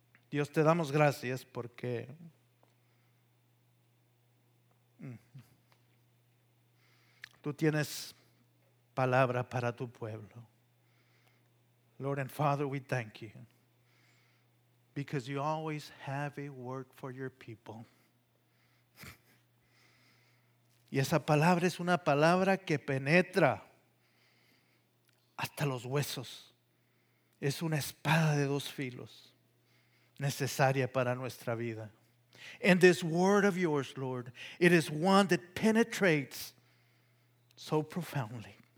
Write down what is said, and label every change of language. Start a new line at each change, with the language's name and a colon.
Spanish: Dios, te damos gracias porque tú tienes palabra para tu pueblo.
English: Lord and Father, we thank you because you always have a word for your people.
Spanish: Y esa palabra es una palabra que penetra hasta los huesos. Es una espada de dos filos necesaria para nuestra vida.
English: And this word of yours, Lord, it is one that penetrates so profoundly.